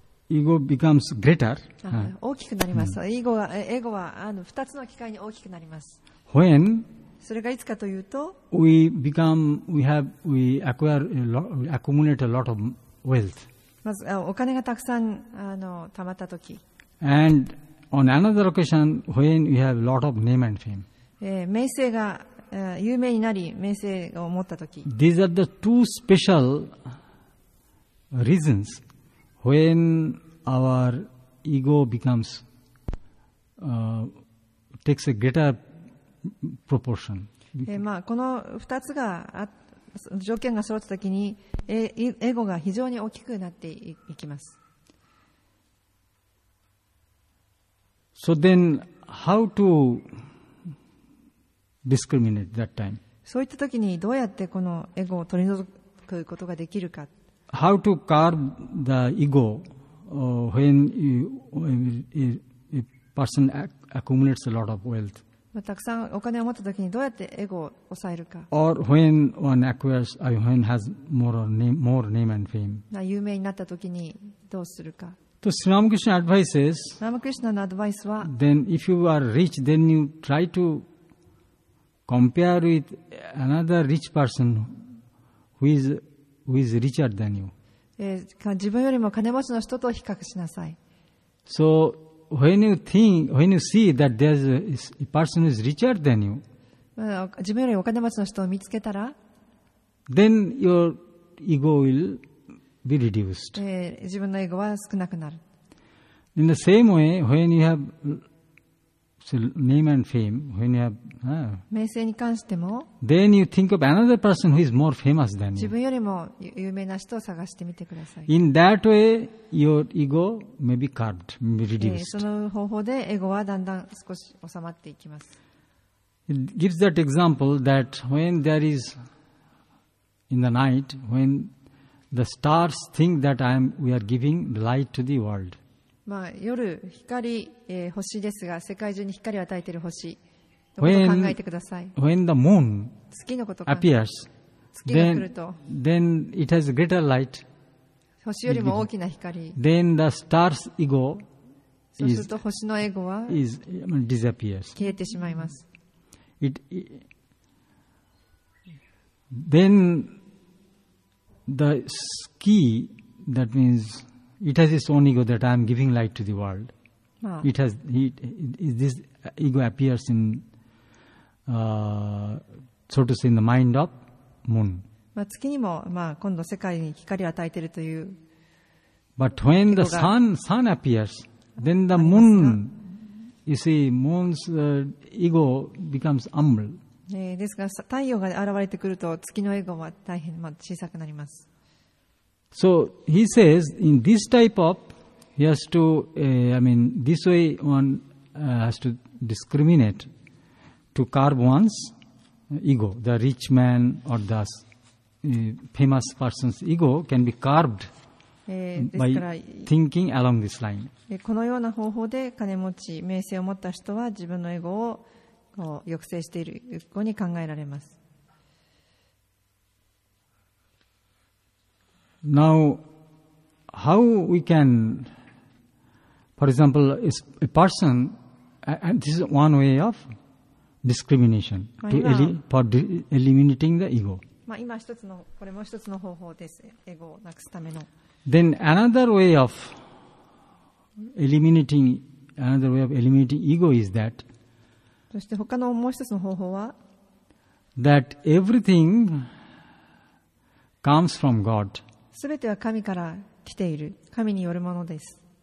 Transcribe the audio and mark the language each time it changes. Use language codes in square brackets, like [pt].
[en] Ego becomes greater. [ja] 大きくなります。エゴは2つの機会に大きくなります。 [en] When [ja] それがいつかというと、 [en] we accumulate a lot of wealth. [ja] まずお金がたくさん貯まったとき。 [en] And on another occasion, when we have a lot of name and fame. [ja] 名声が有名になり名声を持ったとき。 [en] These are the two special reasons. When our ego becomes, takes a greater proportion. [ja] まあ、この2つが条件が揃ったときに、エゴが非常に大きくなっていきます。 [en] So then, how to discriminate that time? [ja] そういったときにどうやってこのエゴを取り除くことができるか。 [en] How to curb the ego when a person accumulates a lot of wealth? [ja] たくさんお金を持ったときにどうやってエゴを抑えるか。 [en] Or when one acquires, when has more name and fame. [ja] 有名になったときにどうするか。 [en] So Sri Ramakrishna advises. [ja] Ramakrishna の advice は。 [en] Then if you are rich, then you try to compare with another rich person who is richer than you. [ja] 自分よりも金持ちの人と比較しなさい。 [en] So when you think, when you see that there's a person is richer than you, [ja] 自分よりお金持ちの人を見つけたら、 [en] then your ego will be reduced. [ja] 自分のエゴは少なくなる。 [en] In the same way, when you have name and fame, when you have [ja] 名声に関しても、 [en] then you think of another person who is more famous than you. [ja] 自分よりも有名な人を探してみてください。 [en] In that way, your ego may be curbed, may be reduced. [ja] その方法でエゴはだんだん少し収まっていきます。 [en] It gives that example that when there is in the night, when the stars think that we are giving light to the world. [ja] まあ、夜光、星ですが、世界中に光を与えている星のことを考えてください。 [en] When the moon [ja] 月のこと [en] appears, [ja] 月が来ると [en] then it has greater light. [ja] 星よりも大きな光。 [en] Then the star's ego [ja] is, そうすると星のエゴは [en] is, disappears. [ja] 消えてしまいます。 [en] Then the ski, that means,It has its own ego that I am giving light to the world. It has it, this ego appears in, so to say, in the mind of moon. [ja] まあ月にもまあ今度世界に光を与えているという。 [en] But when the sun appears, then the moon, you see, moon's ego becomes humble. [ja] ですが太陽が現れてくると月のエゴは大変まあ小さくなります。 [en] So he says, in this type of, he has to, I mean, this way one has to discriminate to curb one's ego. The rich man or the famous person's ego can be curbed by thinking along this line. [ja] このような方法で金持ち、名声を持った人は自分のエゴをこう抑制しているように考えられます。 [en] Now, how we can, for example, a person, and this is one way of discrimination to for eliminating the ego. [ja] まあ今一つのこれも一つの方法です。エゴをなくすための。 [en] Then another way of eliminating ego is that. [ja] そして他のもう一つの方法は。 [en] That everything comes from God. [ja] すべては神から来ている、神によるものです。